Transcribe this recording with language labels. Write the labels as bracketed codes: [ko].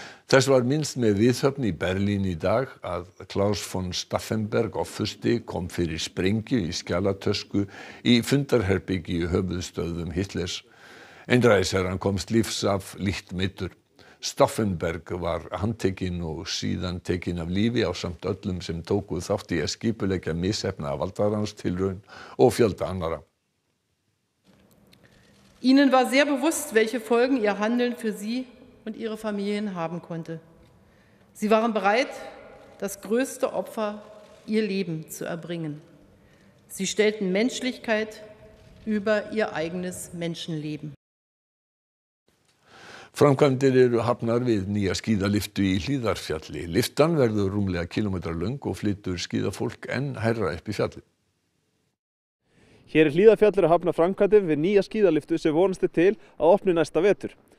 [is] Þess var minnst með viðhöfn í Berlín í dag að Klaus von Stauffenberg offusti kom fyrir sprengju í skjalatösku í fundarherbyggi í höfuðstöðum Hitlers. Einræðisherran komst lífs af lítt meiddur. Stauffenberg var handtekinn og síðan tekinn af lífi ásamt öllum sem tóku þátt í að skipuleggja misefna af valdaránstilraun og fjölda annarra. [de] Ihnen var sehr bewusst, welche Folgen ihr Handeln für sie und ihre Familien haben konnte. Sie waren bereit, das größte Opfer ihr Leben zu erbringen. Sie stellten Menschlichkeit über ihr eigenes Menschenleben. [is] Framkvæmdir eru hafnar við nýja skíðaliftu í Hlíðarfjalli. Liftan verður rúmlega kilometra löng og flytur skíðafólk enn hærra upp í fjalli. Hér er Hlíðarfjallir að hafna framkvæmdir við nýja skíðaliftu sem vonast er til að opna næsta vetur.